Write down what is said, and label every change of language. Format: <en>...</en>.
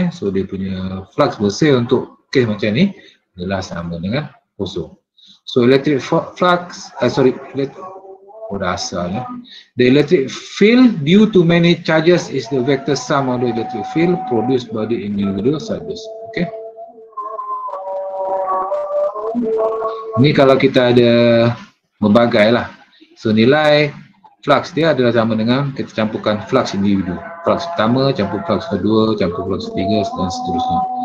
<ms>So dia punya flux bersih untuk kes macam ni adalah sama dengan kosong.</ms> <en>So electric flux, the electric field due to many charges is the vector sum of the electric field produced by the individual charges. Okay.</en> <ms>Ni kalau kita ada berbagai lah. So nilai flux dia adalah sama dengan kita campurkan flux individu. Flux pertama, campur flux kedua, campur flux ketiga dan seterusnya.</ms>